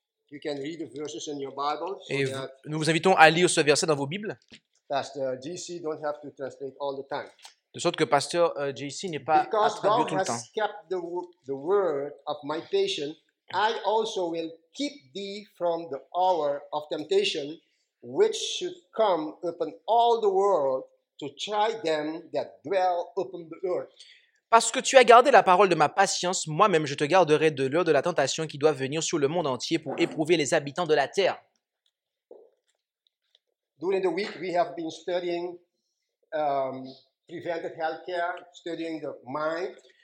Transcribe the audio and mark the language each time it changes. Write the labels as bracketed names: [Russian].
[English] You can read the verses in your Bible. [French] Et nous vous invitons à lire ce verset dans vos Bibles. [English] Pastor JC don't have to translate all the time. [French] De sorte que Pasteur JC n'est pas à traduire tout le temps. [English] Because thou hast kept the word of my patience, I also will keep thee from the hour of temptation, which should come upon all the world to try them that dwell upon the earth. [French] Parce que tu as gardé la parole de ma patience, moi-même je te garderai de l'heure de la tentation qui doit venir sur le monde entier pour éprouver les habitants de la terre. [English] During the week, we have been studying preventive healthcare, studying the mind.